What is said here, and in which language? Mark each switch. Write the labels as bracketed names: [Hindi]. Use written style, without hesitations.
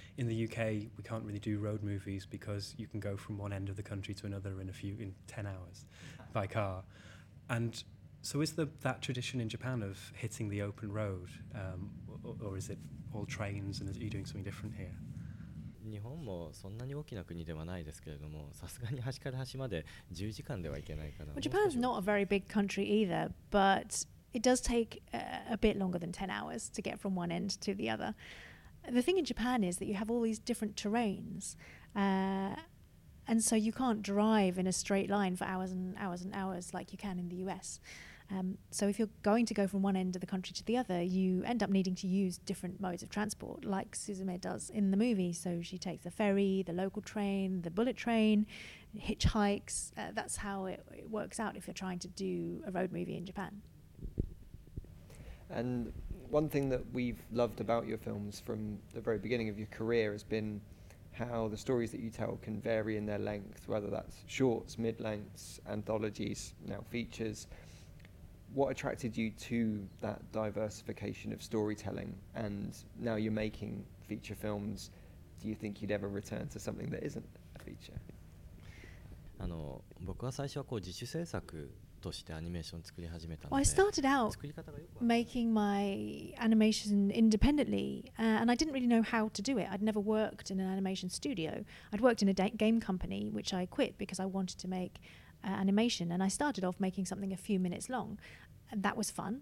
[English] In the UK, we can't really do road movies because you can go from one end of the country to another in 10 hours by car. And so is that tradition in Japan of hitting the open road, or is it all trains and are you doing something different here? [Japanese] 日本もそんなに大きな国ではないですけれども、さすがに端から端まで10時間ではいけないかな。 [English] Well, Japan is not a very big country either, but it does take a bit longer than 10 hours to get from one end to the other. The thing in Japan is that you have all these different terrains, and so you can't drive in a straight line for hours and hours and hours like you can in the US. So if you're going to go from one end of the country to the other, you end up needing to use different modes of transport, like Suzume does in the movie. So she takes the ferry, the local train, the bullet train, hitchhikes. That's how it works out if you're trying to do a road movie in Japan. And one thing that we've loved about your films from the very beginning of your career has been how the stories that you tell can vary in their length, whether that's shorts, mid-lengths, anthologies, now features. What attracted you to that diversification of storytelling? And now you're making feature films, do you think you'd ever return to something that isn't a feature? [Japanese] 僕は最初はこう自主制作としてアニメーションを作り始めたので [English] 、 I started out making my animation independently, and I didn't really know how to do it. I'd never worked in an animation studio. I'd worked in a game company, which I quit because I wanted to make animation, and I started off making something a few minutes long, and that was fun.